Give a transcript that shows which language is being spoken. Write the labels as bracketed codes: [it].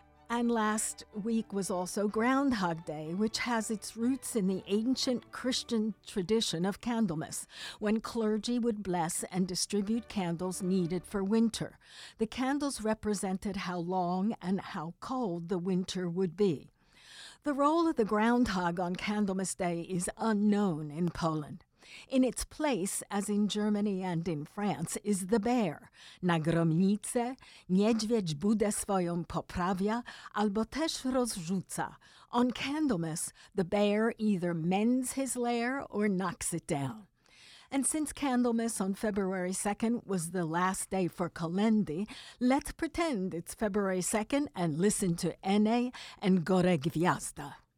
[en] And last week was also Groundhog Day, which has its roots in the ancient Christian tradition of Candlemas, when clergy would bless and distribute candles needed for winter. The candles represented how long and how cold the winter would be. The role of the groundhog on Candlemas Day is unknown in Poland. In its place, as in Germany and in France, is the bear. [pl] Na gromnicę niedźwiedź budę swoją poprawia albo też rozrzuca. [en] On Candlemas, the bear either mends his lair or knocks it down. And since Candlemas on February 2nd was the last day for kolędy, let's pretend it's February 2nd and listen to Ene and Gore Gwiazda.